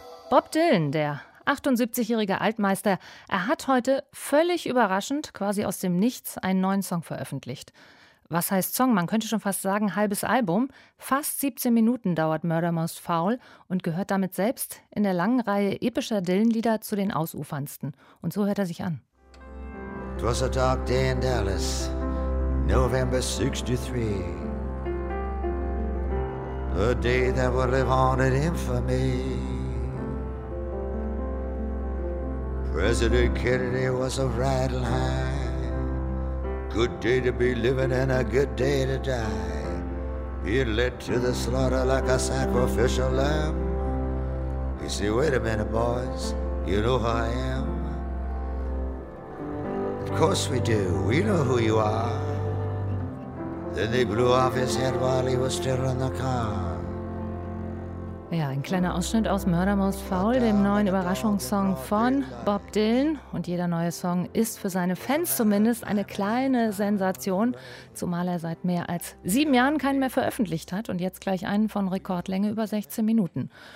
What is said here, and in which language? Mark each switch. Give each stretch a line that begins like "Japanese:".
German: Bob Dylan, der 78-jährige Altmeister, er hat heute völlig überraschend, quasi aus dem Nichts, einen neuen Song veröffentlicht. Was heißt Song? Man könnte schon fast sagen, halbes Album. Fast 17 Minuten dauert Murder Most Foul und gehört damit selbst in der langen Reihe epischer Dylan-Lieder zu den ausuferndsten. Und so hört er sich an.
English: It was a dark day in Dallas, November 63. A day that would live on in infamy. President Kennedy was a rattle high. Good day to be living and a good day to die. Being led to the slaughter like a sacrificial lamb. You say, wait a minute, boys, you know who I am? Of course we do, we know who you are. Then they blew off his head while he was still in the car.
German: Ja, ein kleiner Ausschnitt aus Murder Most Foul, dem neuen Überraschungssong von Bob Dylan. Und jeder neue Song ist für seine Fans zumindest eine kleine Sensation, zumal er seit mehr als 7 Jahren keinen mehr veröffentlicht hat und jetzt gleich einen von Rekordlänge über 16 Minuten.